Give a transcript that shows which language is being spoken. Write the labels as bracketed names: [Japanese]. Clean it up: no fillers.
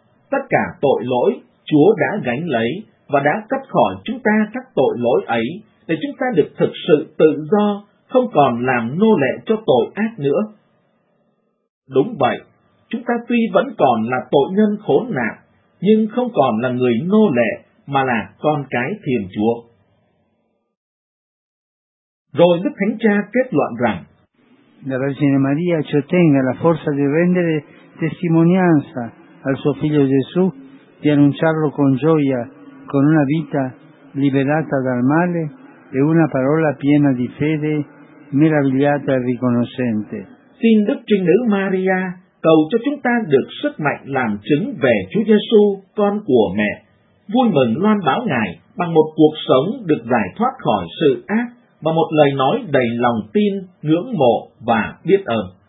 [Vietnamese] Tất cả tội lỗi, Chúa đã gánh lấy, và đã cất khỏi chúng ta các tội lỗi ấy, để chúng ta được thực sự tự do, không còn làm nô lệ cho tội ác nữa. Đúng vậy, chúng ta tuy vẫn còn là tội nhân khốn nạn, nhưng không còn là người nô lệ, mà là con cái Thiên Chúa. Rồi Đức Thánh Cha kết luận rằng, [Italian] la Vergine Maria ci ottenga la forza di rendere testimonianza al suo figlio Gesù, di annunciarlo con gioia, con una vita liberata dal male e una parola piena di fede, meravigliata e riconoscente. [Vietnamese] Xin Đức Trinh Nữ Maria cầu cho chúng ta được sức mạnh làm chứng về Chúa Giêsu, con của Mẹ, vui mừng loan báo Ngài bằng một cuộc sống được giải thoát khỏi sự ác và một lời nói đầy lòng tin, ngưỡng mộ và biết ơn.